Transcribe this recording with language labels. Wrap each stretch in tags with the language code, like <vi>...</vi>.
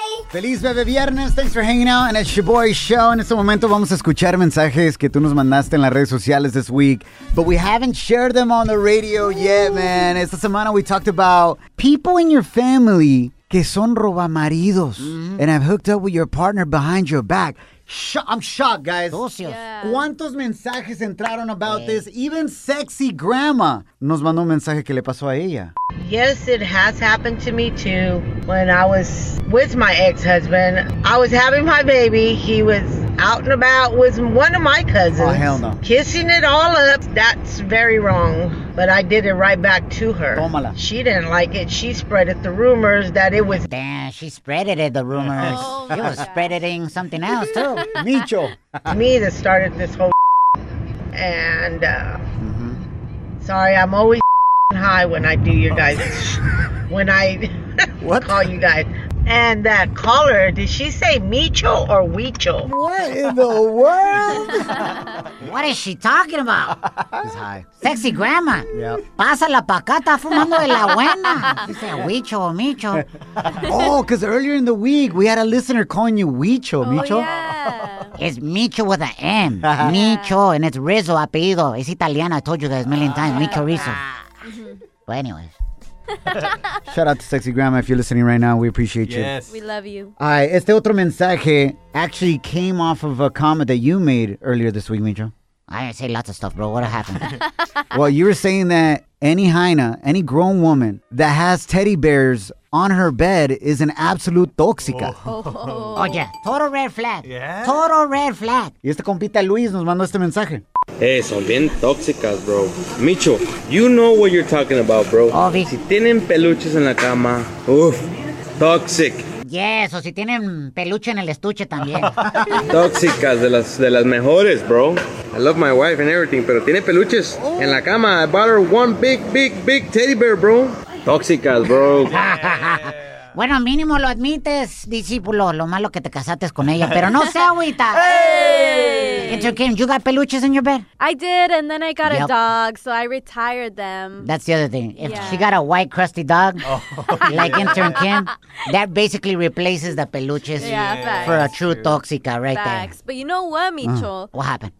<es>Feliz Bebe Viernes,</es> <en>thanks for hanging out and it's your boy show.</en> <es>En este momento vamos a escuchar mensajes que tú nos mandaste en las redes sociales</es> <en>this week, but we haven't shared them on the radio yet, man.</en> <es>Esta semana</es> <en>we talked about people in your family</en> <es>que son robamaridos,</es> <en>mm-hmm, and have hooked up with your partner behind your back. I'm shocked, guys.</en> <es>Socios.</es> <en>Yeah.</en> <es>¿Cuántos mensajes entraron</es> <en>about this? Even sexy grandma</en> <es>nos mandó un mensaje que le pasó a ella.</es> <en>Yes, it has happened to me too. When I was with my ex-husband, I was having my baby. He was out and about with one of my cousins. Oh, hell no. Kissing it all up. That's very wrong. But I did it right back to her.</en> <es>Tómala.</es> <en>She didn't like it. She spread it the rumors that it was... Damn, she spread it the rumors. Oh, it was spreading something else, too. Micho. Me that started this whole... And, sorry, I'm always high when I do your guys... when I call you guys. And that caller, did she say Micho or Weecho? What in the world? What is she talking about? She's high. Sexy grandma. Yep.</en> <es>Pásala pa' acá, está fumando de la buena.</es> <en>She said Weecho or Micho. Oh, because earlier in the week, we had a listener calling you Weecho, Micho. Oh, yeah. It's Micho with an M. Micho, and it's Rizzo, apellido. It's Italiana. I told you guys a million times. Micho Rizzo. But anyways. Shout out to Sexy Grandma if you're listening right now. We appreciate you. Yes. We love you. All right,</en> <es>este otro mensaje</es> <en>actually came off of a comment that you made earlier this week, Micho. I didn't say lots of stuff, bro. What happened? Well, you were saying that any hyena, any grown woman that has teddy bears on her bed is an absolute toxica. Oh, oh yeah. Total red flag. Yeah. Total red flag.</en> <es>Y este compita Luis nos mandó este mensaje. Hey, son bien tóxicas, bro.</es> <en>Micho, you know what you're talking about, bro. Obvi.</en> <es>Si tienen peluches en la cama, uff, toxic. Yes, o si tienen peluche en el estuche también. Tóxicas, de las mejores, bro.</es> <en>I love my wife and everything,</en> <es>pero tiene peluches en la cama.</es> <en>I bought her one big, big, big teddy bear, bro. Tóxicas, bro.</en> <es>Bueno, mínimo lo admites, discípulo. Lo malo que te casaste con ella, pero no sé, agüita.</es> <en>Hey! It's okay. You got peluches in your bed? I did, and then I got a dog, so I retired them. That's the other thing. If she got a white, crusty dog, intern Kim, that basically replaces the peluches for a true toxica there. But you know what, Micho? What happened?</en>